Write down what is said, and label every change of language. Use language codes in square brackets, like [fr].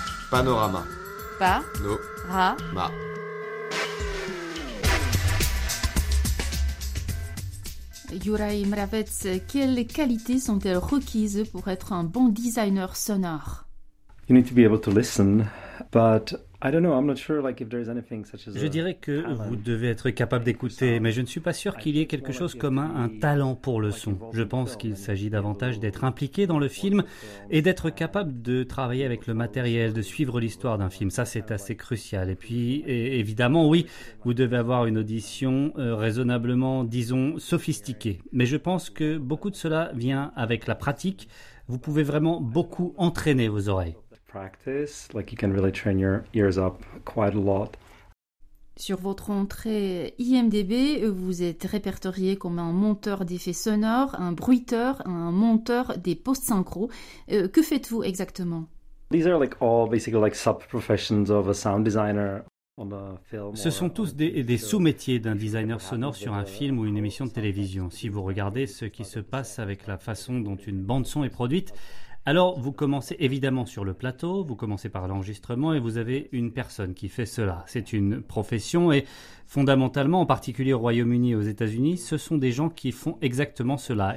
[fr] Panorama. Panorama. Juraj Mravec, quelles qualités sont-elles requises pour être un bon designer sonore? [en] You need to be able to listen, but I don't know, I'm not sure like if there is anything such as [fr] Je dirais que vous devez être capable d'écouter, mais je ne suis pas sûr qu'il y ait quelque chose comme un talent pour le son. Je pense qu'il s'agit davantage d'être impliqué dans le film et d'être capable de travailler avec le matériel, de suivre l'histoire d'un film. Ça, c'est assez crucial. Et puis, évidemment, oui, vous devez avoir une audition raisonnablement, disons, sophistiquée. Mais je pense que beaucoup de cela vient avec la pratique. Vous pouvez vraiment beaucoup entraîner vos oreilles. [en] Practice, like you can really train your ears up quite a lot. [fr] Sur votre entrée IMDb, vous êtes répertorié comme un monteur d'effets sonores, un bruiteur, un monteur des post-synchros. Que faites-vous exactement? [en] These are like all basically like sub-professions of a sound designer. [fr] Ce sont tous des sous-métiers d'un designer sonore sur un film ou une émission de télévision. Si vous regardez ce qui se passe avec la façon dont une bande-son est produite, alors vous commencez évidemment sur le plateau, vous commencez par l'enregistrement et vous avez une personne qui fait cela. C'est une profession et fondamentalement, en particulier au Royaume-Uni et aux États-Unis, ce sont des gens qui font exactement cela.